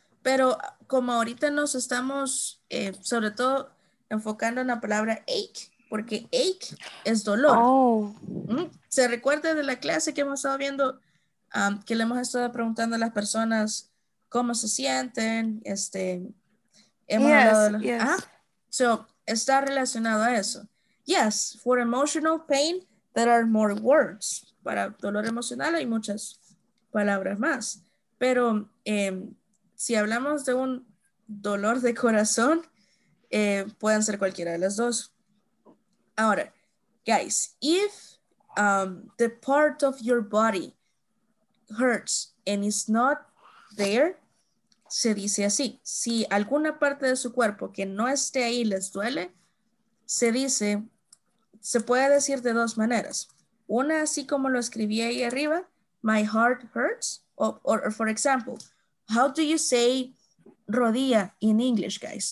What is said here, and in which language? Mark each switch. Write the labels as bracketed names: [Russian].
[Spanish] Pero como ahorita nos estamos, sobre todo, enfocando en la palabra ache, porque ache es dolor. Oh. Mm-hmm. ¿Se recuerda de la clase que hemos estado viendo, que le hemos estado preguntando a las personas cómo se sienten, este, hemos hablado, so está relacionado a eso. [English] Yes, for emotional pain, there are more words. [Spanish] Para dolor emocional hay muchas palabras más. Pero si hablamos de un dolor de corazón, pueden ser cualquiera de las dos. [English] Ahora, guys, if the part of your body hurts and is not there, [Spanish] se dice así. Si alguna parte de su cuerpo que no esté ahí les duele, se dice, se puede decir de dos maneras. Una, así como lo escribí ahí arriba, [English] my heart hurts. Or for example, how do you say rodilla in English, guys?